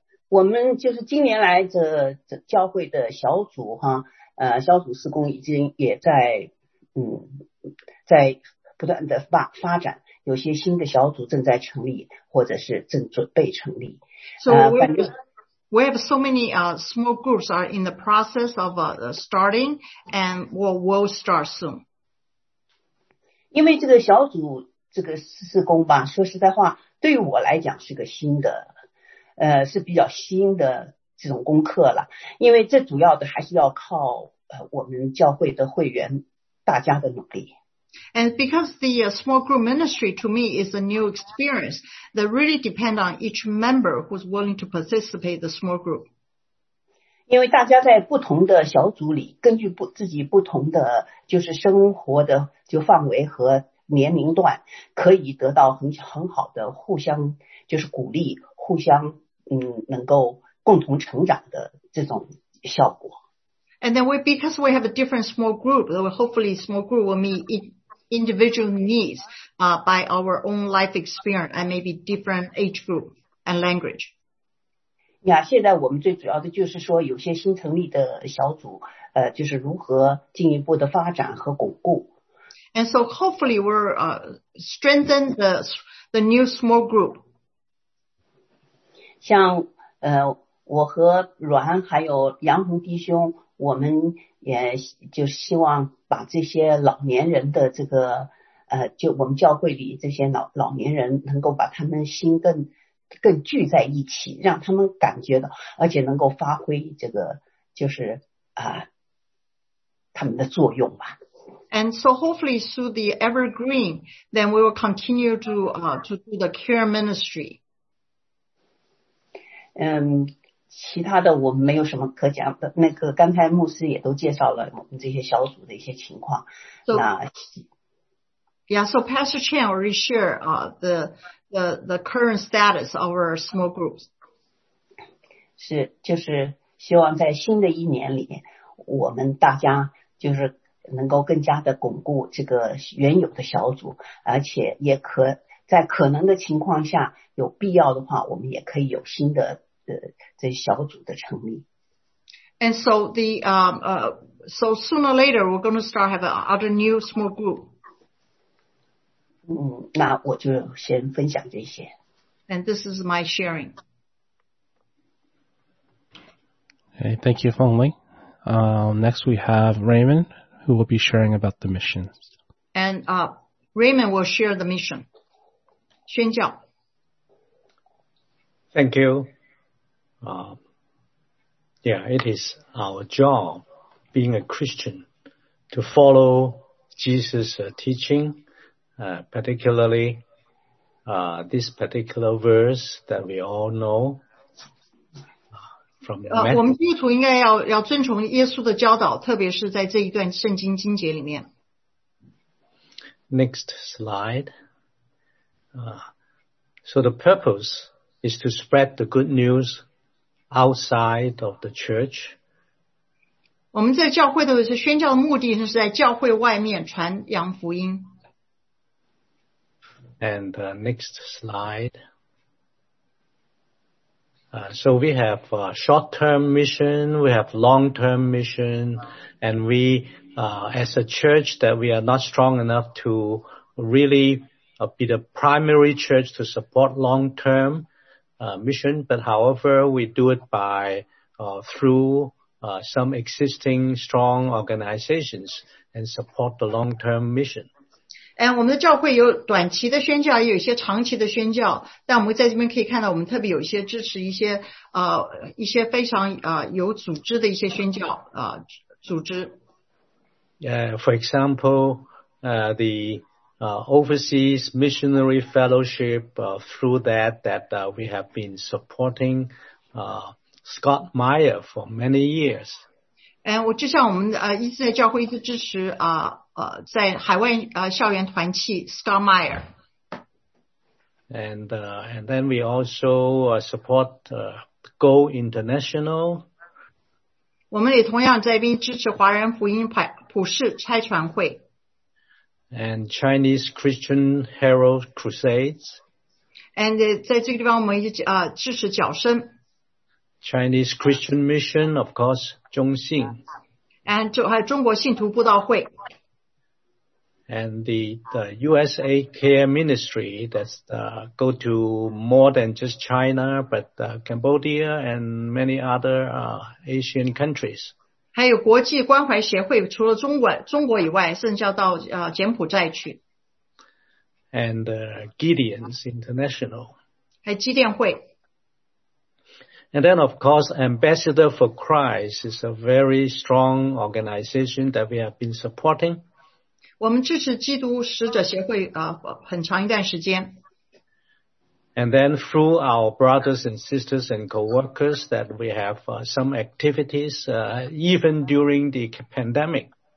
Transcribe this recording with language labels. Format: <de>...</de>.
<zh>我们就是今年来这教会的小组哈，小组事工已经也在不断的发展，有些新的小组正在成立或者是正准备成立。</zh> <en>So we have so many small groups are in the process of starting and will start soon.</en> <zh>因为这个小组这个事工吧，说实在话对于我来讲是个新的是比较新的这种功课了，因为这主要的还是要靠我们教会的会员大家的努力。</zh> <en>And because the small group ministry to me is a new experience that really depend on each member who's willing to participate the small group.</en> <zh>因为大家在不同的小组里根据自己不同的就是生活的就范围和年龄段可以得到很好的互相就是鼓励，互相能够共同成长的这种效果。</zh> <en>And then because we have a different small group, hopefully small group will meet individual needs by our own life experience and maybe different age group and language.</en> <zh>Yeah, 现在我们最主要的就是说有些新成立的小组就是如何进一步的发展和巩固。</zh> <en>And so hopefully we'll strengthen the new small group.</en> <zh>像我和阮还有杨红弟兄，我们也就希望把这些老年人的这个就我们教会里这些老年人能够把他们心更聚在一起，让他们感觉到而且能够发挥这个就是他们的作用吧。</zh> <en>And so hopefully through the evergreen, then we will continue to do the care ministry.</en> <zh>其他的我们没有什么可讲的，那个刚才牧师也都介绍了我们这些小组的一些情况。</zh> <en>So Pastor Chan already shared the current status of our small groups.</en> <zh>是，就是希望在新的一年里，我们大家就是能够更加的巩固这个原有的小组，而且也可在可能的情况下，有必要的话，我们也可以有新的这小组的成立。</zh> <en>And so the so sooner or later we're going to start have another new small group.</en> <zh>那我就先分享这些。</zh> <en>And this is my sharing. Okay, thank you, Fong Ling. Next we have Raymond, who will be sharing about the missions. And Raymond will share the mission.</en> <zh>宣教。</zh> <en>Thank you. Yeah, it is our job, being a Christian, to follow Jesus' teaching, particularly this particular verse that we all know from Matthew.</en> <zh>我们基督徒应该要遵从耶稣的教导，特别是在这一段圣经经节里面。</zh> <en>Next slide. So the purpose is to spread the good news outside of the church.</en> <zh>我们在教会的是宣教的目的是在教会外面传扬福音。</zh> <en>And next slide. So we have a short-term mission, we have long-term mission, and we, as a church, that we are not strong enough to really be the primary church to support long-term mission, but however, we do it by, through some existing strong organizations and support the long-term mission.</en> <zh>And 我们的教会有短期的宣教，也有一些长期的宣教。但我们在这边可以看到，我们特别有一些支持一些一些非常有组织的一些宣教组织。</zh> <en>For example, the overseas missionary fellowship through that we have been supporting Scott Meyer for many years.</en> <zh>And 我就像我们一直在教会一直支持在海外校园团契 Scott Meyer.</zh> <en>And then we also support Go International.</en> <zh>我们也同样在边支持华人福音普世差传会。</zh> <en>And Chinese Christian Herald Crusades.</en> <zh>And 在这个地方我们支持角声。</zh> <en>Chinese Christian Mission, of course, 中信。</en> <zh>And 还有中国信徒布道会。</zh> <en>And the USA Care Ministry that's go to more than just China, but Cambodia and many other Asian countries.</en> <zh>还有国际关怀协会，除了中国以外，甚至要到柬埔寨去。</zh> <en>And Gideon's International.</en> <zh>还有基甸会。</zh> <en>And then, of course, Ambassador for Christ is a very strong organization that we have been supporting.</en> <zh>我们支持基督使者协会很长一段时间。</zh> <en>And then through our brothers and sisters and co-workers that we have some activities even during the pandemic.</en>